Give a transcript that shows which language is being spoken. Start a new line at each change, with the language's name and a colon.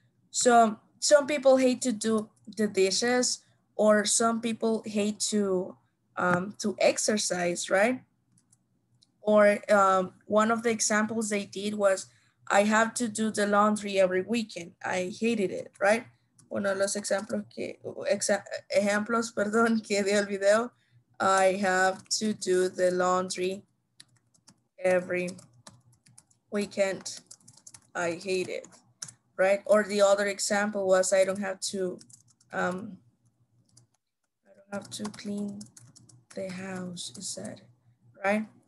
English: So some people hate to do the dishes or some people hate to exercise, right? Or one of the examples they did was, I have to do the laundry every weekend. I hated it, right?
Spanish: Uno de los ejemplos que dio el video.
English: I have to do the laundry every weekend. I hate it, right? Or the other example was I don't have to clean the house, is that right?